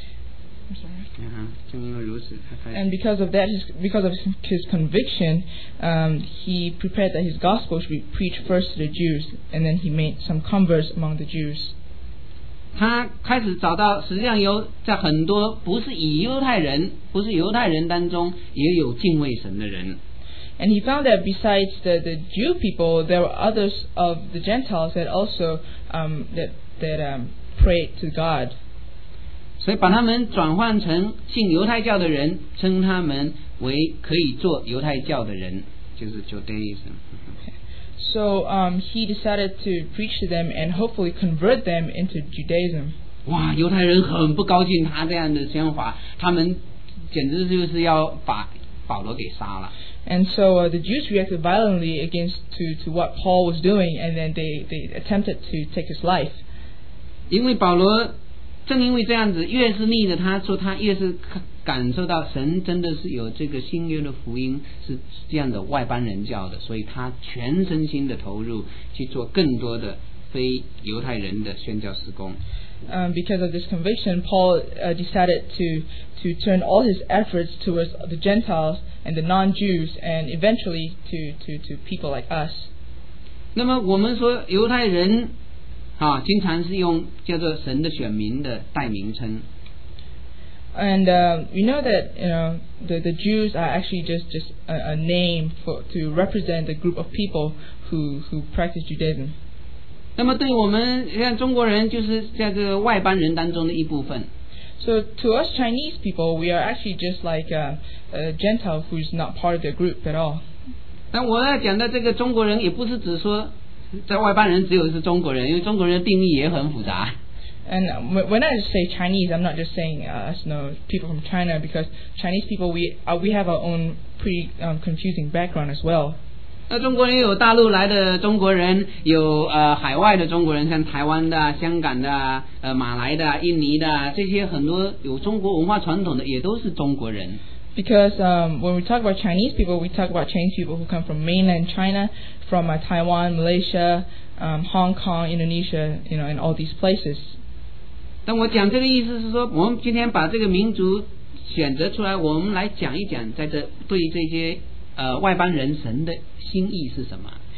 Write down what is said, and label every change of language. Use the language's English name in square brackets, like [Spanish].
[Chinese] 正因为如此，他开始特别热心的来宣扬神的福音。正因为如此，他开始。 [English] And because of that, because of his conviction, he prepared that his gospel should be preached first to the Jews, and then he made some converts among the Jews. [Chinese] 他开始找到，实际上有在很多不是犹太人当中也有敬畏神的人。 [English] And he found that besides the Jew people, there were others of the Gentiles that also prayed to God. [Chinese] 所以把他们转换成信犹太教的人，称他们为可以做犹太教的人，就是Judaism。 [English] So he decided to preach to them and hopefully convert them into Judaism. [Chinese] 哇，犹太人很不高兴他这样的宣法，他们简直就是要把保罗给杀了。 [English] And so the Jews reacted violently against what Paul was doing, and then they attempted to take his life. [Chinese] 因为保罗正因为这样子，越是逆着他做，他越是感受到神真的是有这个新约的福音是这样的外邦人教的，所以他全身心的投入去做更多的非犹太人的宣教事工。 [English] Because of this conviction, Paul decided to turn all his efforts towards the Gentiles and the non-Jews, and eventually to people like us. [Chinese] 那么我们说犹太人啊，经常是用叫做神的选民的代名称。 [English] And we know that the Jews are actually just a name to represent the group of people who practice Judaism. [Chinese] 那么对我们像中国人就是在这个外邦人当中的一部分。 [English] So to us Chinese people, we are actually just like a Gentile who is not part of the group at all. [Chinese] 但我要讲的这个中国人也不是只说在外邦人只有是中国人，因为中国人的定义也很复杂。 [English] And when I say Chinese, I'm not just saying people from China, because Chinese people we have our own pretty confusing background as well. [Chinese] 那中国人有大陆来的中国人，有海外的中国人，像台湾的、香港的、马来的、印尼的，这些很多有中国文化传统的也都是中国人。 [English] Because when we talk about Chinese people, we talk about Chinese people who come from mainland China, from Taiwan, Malaysia, Hong Kong, Indonesia, and all these places. [Chinese] 但我讲这个意思是说，我们今天把这个民族选择出来，我们来讲一讲，在这对这些外邦人神的心意是什么。